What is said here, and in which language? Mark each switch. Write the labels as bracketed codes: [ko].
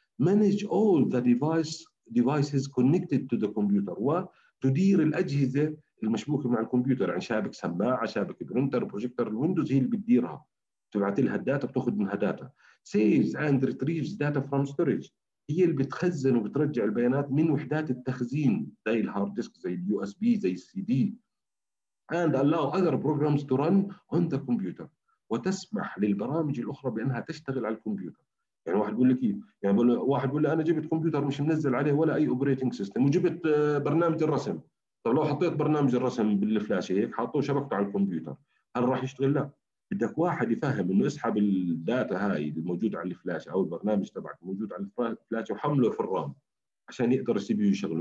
[en] manage all the devices connected to the computer, [ar] وتدير الاجهزه المشبوكه مع الكمبيوتر. يعني شابك سماعه، شابك برينتر، بروجيكتر، الويندوز هي اللي بتديرها، تبعت لها الداتا، بتاخذ منها داتا. [en] سيفز اند ريتريفز داتا فروم ستورج، [ar] هي اللي بتخزن وبترجع البيانات من وحدات التخزين زي الهارد ديسك، زي اليو اس بي، زي السي دي. [en] And allow other programs to run on the computer. [ar] وتسمح للبرامج الأخرى بأنها تشتغل على الكمبيوتر. يعني واحد بيقول لك إيه؟ يعني واحد بيقول لي أنا جبت كمبيوتر مش منزل عليه ولا أي operating system، وجبت برنامج الرسم. طب لو حطيت برنامج الرسم بالفلاش هيك، حطه وشبكته على الكمبيوتر، هل راح يشتغل؟ لا. بدك واحد يفهم إنه اسحب الداتا هاي الموجود على الفلاش أو البرنامج تبعك موجود على الفلاش وحمله في الرام عشان يقدر السي بي يو يشغله.